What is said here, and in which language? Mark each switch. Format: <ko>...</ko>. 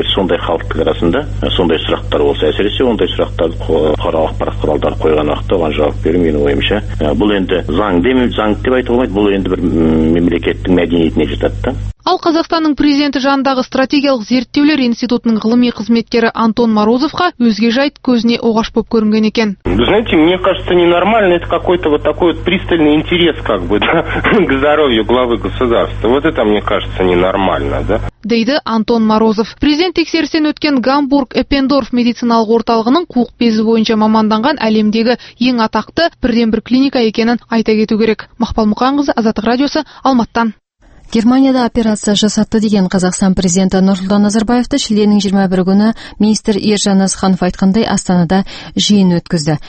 <kk>Егер сондай халықтың арасында сондай сұрақтар болса, әсіресе ондай сұрақтарды бұқаралық ақпарат құралдары қойған уақытта оған жауап беру менің ойымша бұл енді заң деп айтуға болмайды, бұл енді бір мемлекеттің мәдениетіне жатады да. Ал Қазақстанның президенті жанындағы стратегиялық зерттеулер институтының ғылыми қызметкері Антон Морозовқа өзге жайт көзіне оғаш боп көрінген екен.</kk> <ru>Вы знаете, мне кажется, ненормально, это какой-то вот такой вот пристальный интерес как бы, да, к здоровью главы государства. Вот это, мне кажется, ненормально, да?</ru> <kk>Дейді Антон Морозов. Президент тексерістен өткен Гамбург-Эппендорф медициналық орталығының қуық безі бойынша маманданған әлемдегі ең атақты бірден бір клиника екенін айта кету керек. Мақпал Мұқанқызы, Азаттық радиосы, Алматыдан. Германияда операция жасатты деген Қазақстан президенті Нұрсұлтан Назарбаевты шілденің 21 күні министр Ержан Асханов айтқандай Астанада жиын өткізді.</kk>